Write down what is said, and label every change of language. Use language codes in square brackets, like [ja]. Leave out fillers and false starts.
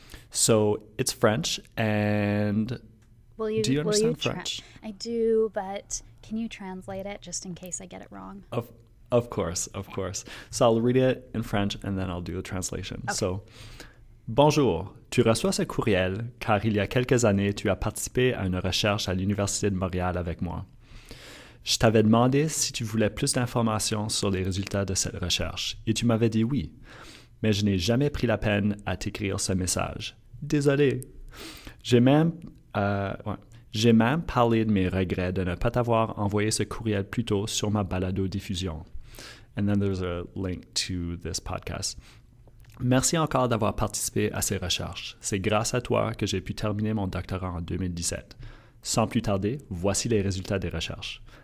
[en] So it's French and do you understand French? I do, but can you translate it just in case I get it wrong? Of course. So I'll read it in French and then I'll do the translation. Okay. [fr] So, bonjour, tu reçois ce courriel car il y a quelques années tu as participé à une recherche à l'Université de Montréal avec moi. Je t'avais demandé si tu voulais plus d'informations sur les résultats de cette recherche et tu m'avais dit oui, mais je n'ai jamais pris la peine à t'écrire ce message. Désolé. J'ai même parlé de mes regrets de ne pas t'avoir envoyé ce courriel plus tôt sur ma balado-diffusion. [en] And then there's a link to this podcast. [fr] Merci encore d'avoir participé à ces recherches. C'est grâce à toi que j'ai pu terminer mon doctorat en 2017. Sans plus tarder, voici les résultats des recherches.